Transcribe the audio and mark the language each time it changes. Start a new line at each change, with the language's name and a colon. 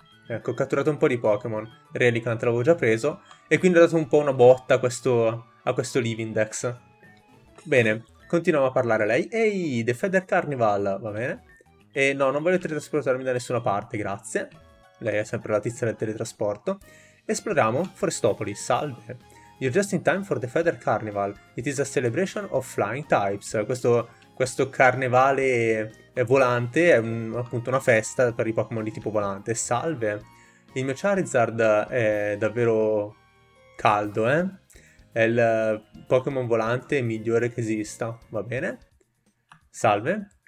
Italian: Ecco, ho catturato un po' di Pokémon. Relicant l'avevo già preso. E quindi ho dato un po' una botta a questo Living Dex. Bene, continuiamo a parlare a lei. Ehi, The Feather Carnival, va bene? E no, non voglio teletrasportarmi da nessuna parte, grazie. Lei è sempre la tizia del teletrasporto. Esploriamo Forestopoli, salve.
English: You're just in time for the Feather Carnival. It is a celebration of flying types.
Italian: Questo carnevale. Volante è appunto una festa per i Pokémon di tipo volante. Salve! Il mio Charizard è davvero caldo, eh? È il Pokémon volante migliore che esista, va bene? Salve!